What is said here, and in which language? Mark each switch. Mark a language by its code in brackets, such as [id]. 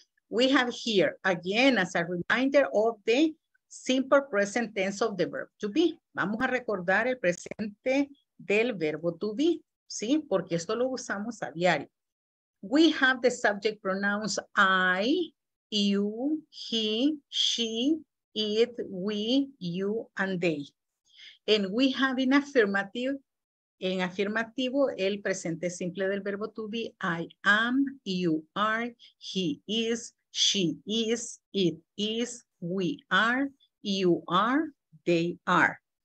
[en] We have here, again, as a reminder of the simple present tense of the verb to be. [es] Vamos a recordar el presente del verbo to be, ¿sí? Porque esto lo usamos a diario. [en] We have the subject pronouns I, you, he, she, it, we, you, and they. And we have in affirmative, [es] el presente simple del verbo [en] to be, I am, you are, he is, she is, it is, we are, you are, they are.